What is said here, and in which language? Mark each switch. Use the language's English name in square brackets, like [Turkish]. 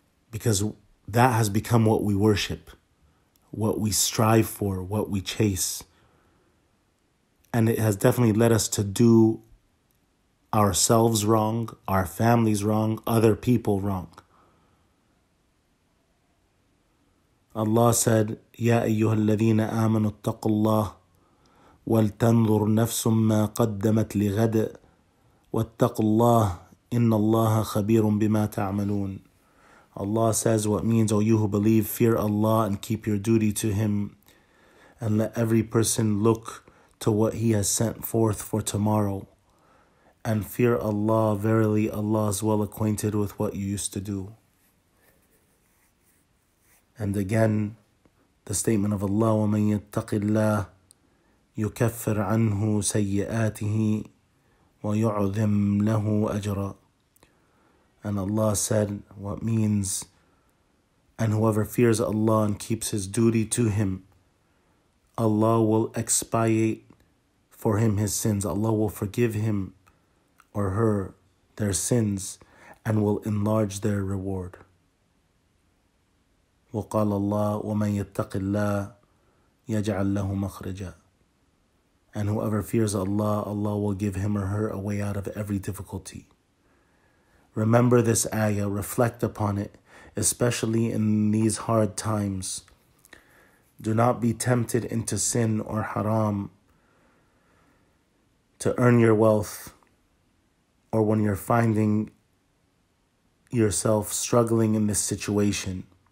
[English] Because that has become what we worship, what we strive for, what we chase. And it has definitely led us to do ourselves wrong, our families wrong, other people wrong. Allah said, [Arabic] يَا أَيُّهَا الَّذِينَ آمَنُوا اتَّقُوا اللَّهِ وَلْتَنْظُرْ نَفْسٌ مَّا قَدَّمَتْ لِغَدٍ وَاتَّقُوا اللَّهِ إِنَّ اللَّهَ خَبِيرٌ بِمَا تَعْمَلُونَ. [English] Allah says, what means, O you who believe, fear Allah and keep your duty to Him. And let every person look to what He has sent forth for tomorrow. And fear Allah, verily Allah is well acquainted with what you used to do. And again, the statement of Allah, [Arabic] وَمَنْ يَتَّقِ اللَّهِ يُكَفِّرْ عَنْهُ سَيِّئَاتِهِ وَيُعْذِمْ لَهُ أَجْرًا. [English] And Allah said, what means, and whoever fears Allah and keeps his duty to Him, Allah will expiate for him his sins. Allah will forgive him or her their sins and will enlarge their reward. [Arabic] وقال الله ومن يتق الله يجعل له مخرجا. [English] And whoever fears Allah, Allah will give him or her a way out of every difficulty. Remember this ayah, reflect upon it, especially in these hard times. Do not be tempted into sin or haram to earn your wealth, or when you're finding yourself struggling in this situation.